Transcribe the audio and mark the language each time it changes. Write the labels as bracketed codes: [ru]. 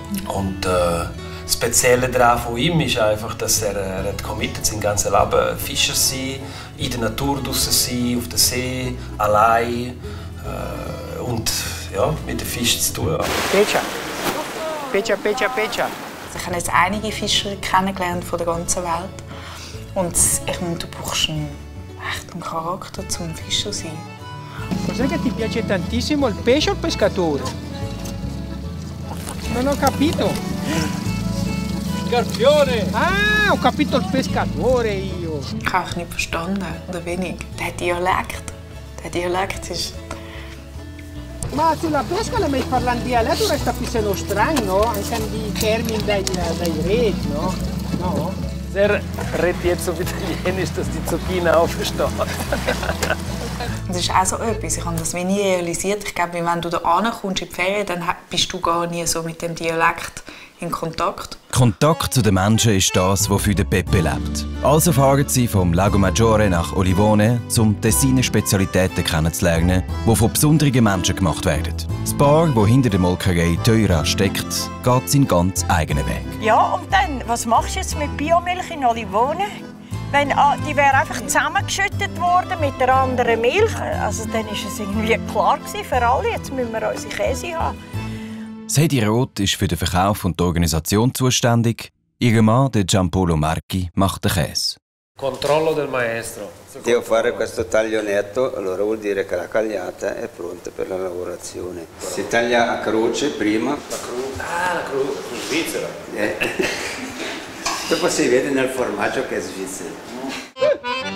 [de] Und das Spezielle daran von ihm ist einfach, dass er hat committed, sein ganzes Leben Fischer sein, in der Natur draussen sein, auf der See, allein und ja, mit den Fischen zu tun. Pecha! Pecha, Pecha, Pecha! Ich habe jetzt einige Fischer kennengelernt von der ganzen Welt. Und ich meine, du brauchst einen echten Charakter, um Fischer zu sein. [it] Cosa che ti piace tantissimo il pesce o il pescatore? Non ho capito. Scarpione! Ah, ho capito il pescatore io! [de] Ich habe nicht verstanden, oder wenig. Der Dialekt. Der Dialekt ist. [it] Ma sulla pesca la mi parla in dialetto, resta più se non strano, no? Anche di termini dei red, no? No? [de] Der redet jetzt auf Italienisch, dass die Zucchini aufsteht. Das ist auch so etwas. Ich habe das nie realisiert. Ich glaube, wenn du da hinkommst in die Ferien, dann bist du gar nie so mit dem Dialekt in Kontakt. Kontakt zu den Menschen ist das, wofür der Pepe lebt. Also fahren sie vom Lago Maggiore nach Olivone, um Tessiner Spezialitäten kennenzulernen, die von besonderen Menschen gemacht werden. Das Paar, das hinter der Molkerei Teura steckt, geht seinen ganz eigenen Weg. Ja, und dann, was machst du jetzt mit Biomilch in Olivone? Wenn, die wäre einfach zusammengeschüttet worden mit der anderen Milch. Also, dann war es irgendwie klar gewesen für alle, jetzt müssen wir unsere Käse haben. Sedi Roth ist für den Verkauf und die Organisation zuständig. Ihr Mann, der Giampolo Marchi, macht den Käse. [it] Controllo del maestro. Devo fare questo taglio netto, allora vuol dire che la cagliata è pronta per la lavorazione. Si taglia a croce prima. La croce svizzera. Dopo si vede nel formaggio che è svizzero.